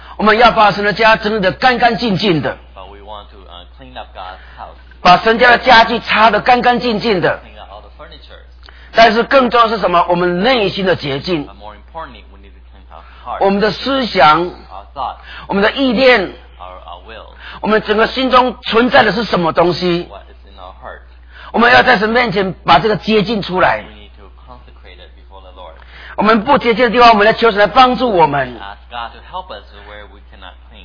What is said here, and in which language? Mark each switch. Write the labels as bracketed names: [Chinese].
[Chinese] 我们要把神的家整理得干干净净的 [English] But we want to, clean up God's house. [Chinese] 把神家的家具擦得干干净净的 [English] clean out all the furniture. [Chinese] 但是更重要是什么我们内心的洁净 [English] But more importantly, we need to clean our heart. [Chinese] 我们的思想 [English] our thought, [Chinese] 我们的意念 [English] our will, [Chinese] 我们整个心中存在的是什么东西 [English] what is in our heart, [Chinese] 我们要在神面前把这个接近出来 [English] we need to consecrate it before the Lord. [Chinese] 我们不接近的地方我们来求神来帮助我们 [English] ask God to help us where we cannot clean.